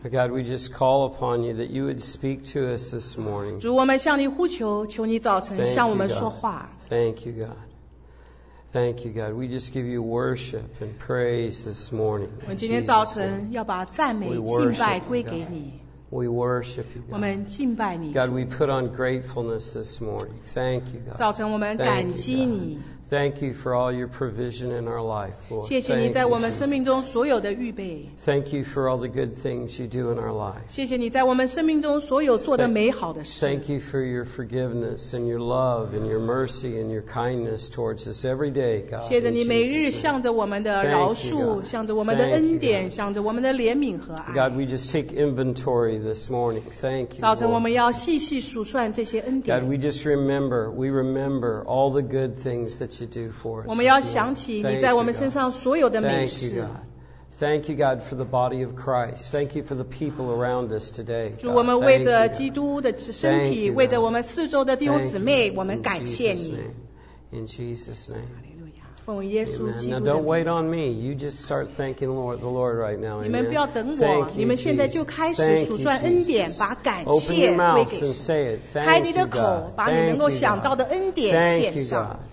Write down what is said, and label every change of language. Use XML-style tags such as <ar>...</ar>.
<en>God, we just call upon you that you would speak to us this morning.</en> <zh>主，我们向你呼求， 求你早晨向我们说话。</zh> <en>Thank you, God. Thank you, God. We just give you worship and praise this morning. We worship you, God.</en> <zh>我们敬拜你,</zh> <en>God, we put on gratefulness this morning. Thank you, God.</en> <zh>早晨我们感激你。</zh> <en>Thank you for all your provision in our life, Lord.</en> <zh>谢谢你在我们生命中所有的预备。</zh> <en>Thank you for all the good things you do in our life.</en> <zh>谢谢你在我们生命中所有做的美好的事。</zh> <en>Thank you for your forgiveness and your love and your mercy and your kindness towards us every day, God.</en> <zh>谢谢你每日向着我们的饶恕，向着我们的恩典，向着我们的怜悯和爱。</zh> <en>God, we just take inventory this morning. Thank you.</en> <zh>早晨我们要细细数算这些恩典。</zh> <en>God, we remember all the good things that you do for us.</en> <zh>我们要想起你在我们身上所有的美事。</zh> <en>Thank you, God. Thank you, God, for the body of Christ. Thank you for the people around us today.</en> <zh>主，我们为着基督的身体， 为着我们四周的弟兄姊妹， 我们感谢你。</zh> <en>In Jesus' name.</en> <zh>Hallelujah. 奉耶稣基督的名。</zh> <en>Now don't wait on me. You just start thanking the Lord right now.</en> <zh>你们不要等我。你们现在就开始数算恩典，把感谢归给神。</zh> <en>Open your mouth and say it. Thank you, God.</en> <zh>开你的口， 把你能够想到的恩典献上。</zh>